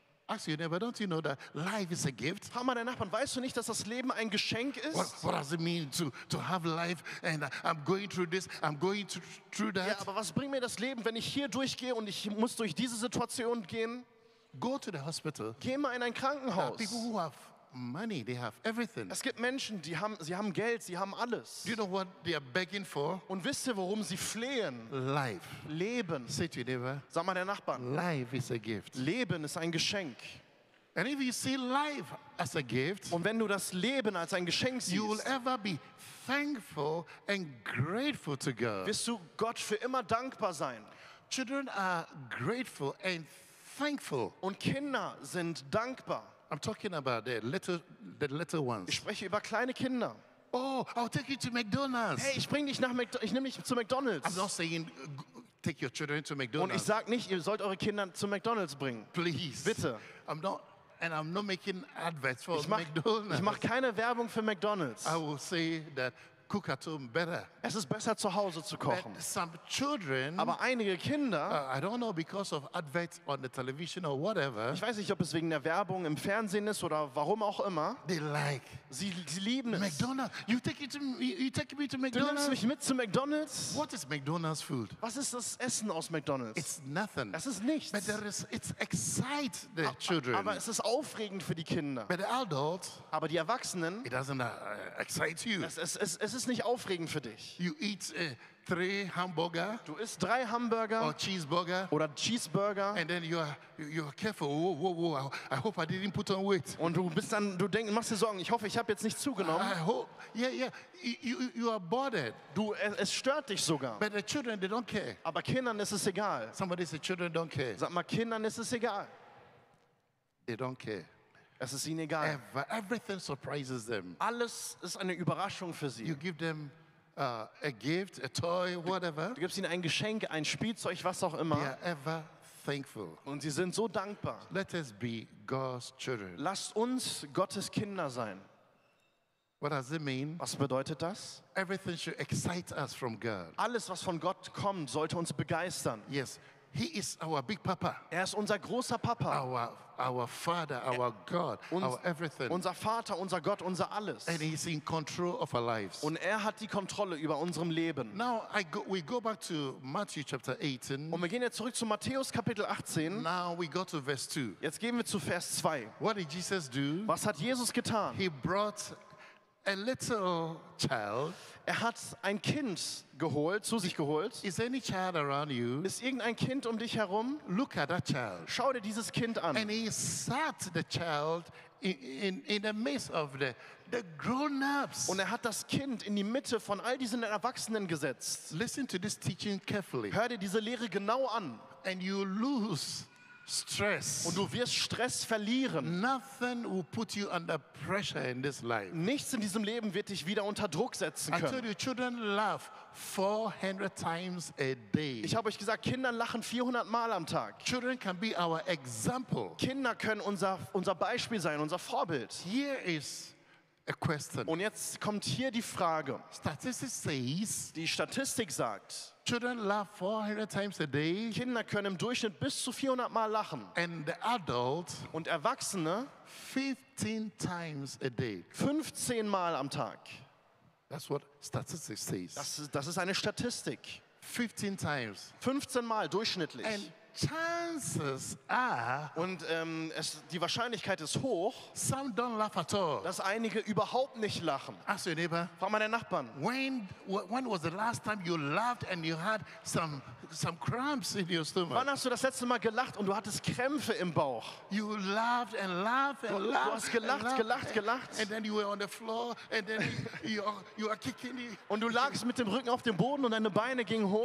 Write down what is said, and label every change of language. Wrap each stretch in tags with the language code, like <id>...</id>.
<en>Ask your neighbor, don't you know that life is a gift?</en> <de>Frag mal deinen Nachbarn, weißt du nicht, dass das Leben ein Geschenk ist?</de> <en>What does it mean to have life and I'm going through this, I'm going through that?</en> <de>Ja, aber was bringt mir das Leben, wenn ich hier durchgehe und ich muss durch diese Situation gehen?</de> <en>Go to the hospital.</en> <de>Geh mal in ein Krankenhaus.</de> <en>Now, people who have money, they have everything.</en> <de>Es gibt Menschen, sie haben Geld, sie haben alles.</de> <en>Do you know what they are begging for?</en> <de>Und wisst ihr, worum sie flehen?</de> <en>Life.</en> <de>Leben.</de> <en>Say to your neighbor.</en> <de>Sag mal der Nachbarn.</de> <en>Life is a gift.</en> <de>Leben ist ein Geschenk.</de> <en>And if you see life as a gift,</en> <de>und wenn du das Leben als ein Geschenk siehst,</de> <en>you will ever be thankful and grateful to God.</en> <de>Wirst du Gott für immer dankbar sein?</de> <en>Children are grateful and thankful.</en> <de>Und Kinder sind dankbar.</de> <en>I'm talking about the little ones.</en> <de>Ich spreche über kleine Kinder.</de> <en>Oh, I'll take you to McDonald's.</en> <de>Hey, ich nehme dich zu McDonald's.</de> <en>I'm not saying take your children to McDonald's.</en> <de>Und ich sag nicht, ihr sollt eure Kinder zu McDonald's bringen.</de> <en>Please.</en> <de>Bitte.</de> <en>I'm not making adverts for McDonald's.</en> <de>Ich mache keine Werbung für McDonald's.</de> <en>I will say that cook at home better.</en> <de>Es ist besser zu Hause zu kochen.</de> <en>But some children,</en> <de>aber einige Kinder,</de> <en>I don't know because of adverts on the television or whatever.</en> <de>Ich weiß nicht, ob es wegen der Werbung im Fernsehen ist oder warum auch immer.</de> <en>They like.</en> <de>Sie lieben es.</de> <en>McDonald's. You take me to McDonald's.</en> <de>Du nimmst mich mit zu McDonald's.</de> <en>What is McDonald's food?</en> <de>Was ist das Essen aus McDonald's?</de> <en>It's nothing.</en> <de>Es ist nichts.</de> <en>But there is. It's excite the children.</en> <de>Aber es ist aufregend für die Kinder.</de> <en>But the adults.</en> <de>Aber die Erwachsenen.</de> <en>It doesn't excite you.</en> <de>Es ist nicht aufregend für dich.</de> <en>You eat three hamburger.</en> <de>Du isst drei Hamburger.</de> <en>Or cheeseburger.</en> <de>Oder Cheeseburger.</de> <en>And then you are careful. Whoa, whoa, whoa. I hope I didn't put on weight.</en> <de>Und du bist dann, du denkst, machst dir Sorgen. Ich hoffe, ich habe jetzt nicht zugenommen.</de> <en>I hope. Yeah, yeah. You are bothered.</en> <de>Du, es stört dich sogar.</de> <en>But the children, they don't care.</en> <de>Aber Kindern ist es egal.</de> <en>Somebody said children don't care.</en> <de>Sag mal, Kindern ist es egal.</de> <en>They don't care.</en> <de>Es ist ihnen egal.</de> <en>Everything surprises them.</en> <de>Alles ist eine Überraschung für sie.</de> <en>You give them a gift, a toy, whatever.</en> <de>Du gibst ihnen ein Geschenk, ein Spielzeug, was auch immer.</de> <en>They are ever thankful.</en> <de>Und sie sind so dankbar.</de> <en>Let us be God's children.</en> <de>Lasst uns Gottes Kinder sein.</de> <en>What does it mean?</en> <de>Was bedeutet das?</de> <en>Everything should excite us from God.</en> <de>Alles, was von Gott kommt, sollte uns begeistern.</de> <en>Yes. He is our big papa.</en> <de>Er ist unser großer Papa.</de> <en>Our father, our God, our everything.</en> <de>Unser Vater, unser Gott, unser alles.</de> <en>And he's in control of our lives.</en> <de>Und er hat die Kontrolle über unserem Leben.</de> <en>Now we go back to Matthew chapter 18.</en> <de>Und wir gehen jetzt zurück zu Matthäus Kapitel 18.</de> <en>Now we go to verse 2.</en> <de>Jetzt gehen wir zu Vers 2.</de> <en>What did Jesus do?</en> <de>Was hat Jesus getan?</de> <en>He brought a little child.</en> <de>Er hat ein Kind geholt, zu sich geholt.</de> <en>Is any child around you?</en> <de>Ist irgendein Kind um dich herum?</de> <en>Look at that child.</en> <de>Schau dir dieses Kind an.</de> <en>And he sat the child in the midst of the grown-ups.</en> <de>Und er hat das Kind in die Mitte von all diesen Erwachsenen gesetzt.</de> <en>Listen to this teaching carefully.</en> <de>Hör dir diese Lehre genau an.</de> <en>And you lose stress.</en> <de>Und du wirst Stress verlieren.</de> <en>Nothing will put you under pressure in this life.</en> <de>Nichts in diesem Leben wird dich wieder unter Druck setzen können.</de> <en>I told you, children laugh 400 times a day.</en> <de>Ich habe euch gesagt, Kinder lachen 400 Mal am Tag.</de> <en>Children can be our example.</en> <de>Kinder können unser Beispiel sein, unser Vorbild.</de> <en>Here is a question.</en> <de>Und jetzt kommt hier die Frage.</de> <en>Statistics says.</en> <de>Die Statistik sagt.</de> <en>Children laugh 400 times a day.</en> <de>Kinder können im Durchschnitt bis zu 400 Mal lachen.</de> <en>And the adult</en> <de>und Erwachsene</de> <en>15 times a day.</en> <de>15 Mal am Tag.</de> <en>That's what statistics says.</en> <de>Das ist eine Statistik.</de> <en>15 times.</en> <de>15 Mal durchschnittlich.</de> <en>And chances are.</en> <de>Und die Wahrscheinlichkeit ist hoch.</de> <en>Some don't laugh at all.</en> <de>Dass einige überhaupt nicht lachen.</de> <en>Ask your neighbor.</en> <de>Frag mal deinen Nachbarn.</de> <en>When was the last time you laughed and you had some cramps in your stomach?</en> <de>Wann hast du das letzte Mal gelacht und du hattest Krämpfe im Bauch?</de> <en>You laughed and laughed and laughed.</en> <de>Du hast gelacht, gelacht, gelacht.</de> <en>And then you were on the floor and then you are kicking.</en> <de>Und du lagst mit dem Rücken auf dem Boden und deine Beine gingen hoch.</de>